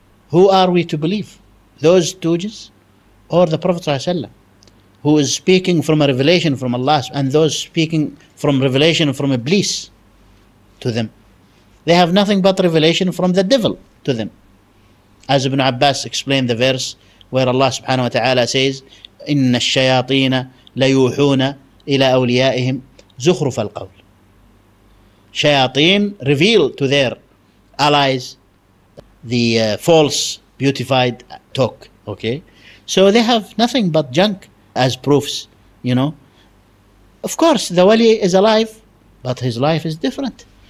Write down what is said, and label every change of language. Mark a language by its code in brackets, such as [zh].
[en] Who are we to believe? Those stooges or the Prophet ﷺ, who is speaking from a revelation from Allah, and those speaking from revelation from Iblis to them? They have nothing but revelation from the devil to them. As Ibn Abbas explained the verse where Allah subhanahu wa ta'ala says, [ar] إن الشياطين ليوحون إلى أوليائهم زخرف القول. [en] Shayateen reveal to their allies the false beautified talk. Okay, so they have nothing but junk as proofs. You know, of course the wali is alive, but his life is different.